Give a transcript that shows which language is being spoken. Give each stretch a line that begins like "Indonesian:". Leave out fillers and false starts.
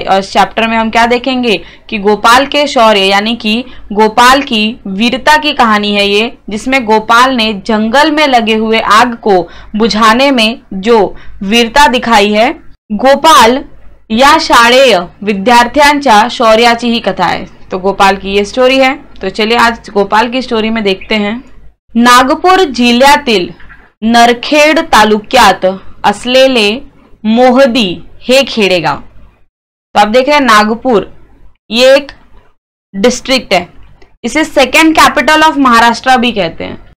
Hindi: और इस चैप्टर में हम क्या देखेंगे कि गोपाल के शौर्य यानी कि गोपाल की वीरता की कहानी है ये, जिसमें गोपाल ने जंगल में लगे हुए आग को बुझाने में जो वीरता दिखाई है।
Marathi: गोपाल या शालेय विद्यार्थ्यांच्या शौर्याची ही कथा है,
Hindi: तो गोपाल की ये स्टोरी है। तो चलिए आज गोपाल की स्टोरी में देखते हैं।
Marathi: नागपूर जिल्ह्यातील नरखेड तालुक्यात असलेले मोहदी हे खेडेगाव।
Hindi: तो आप देख रहे हैं नागपूर ये एक डिस्ट्रिक्ट है, इसे सेकेंड कैपिटल ऑफ महाराष्ट्र भी कहते हैं।